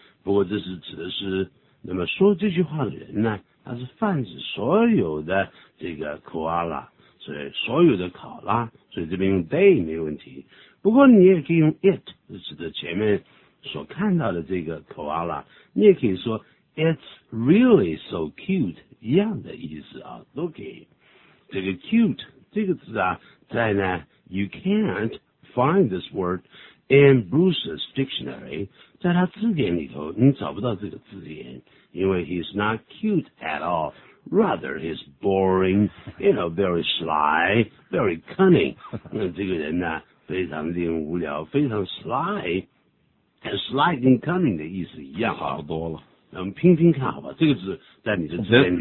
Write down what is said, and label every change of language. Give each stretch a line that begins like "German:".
Chinese: 不过这是指的是那么说这句话的人呢，他是泛指所有的这个 koala, 所以所有的考拉，所以这边用 they 没问题。不过你也可以用 it, 是指的前面所看到的这个 koala, 你也可以说
English: it's really so cute,
Chinese: 一样的意思啊，都可以。这个 cute, 这个字啊，在呢
English: you can't find this word,In Bruce's dictionary,
Chinese: 在他字典里头你找不到这个字眼，因为
English: he's not cute at all. Rather, he's boring, you know, very sly, very cunning.
Chinese: 那这个人呢，非常令无聊，非常 sly. And sly 跟 cunning 的意思一样。好多了。那我们拼拼看好吧，这个字在你的字典里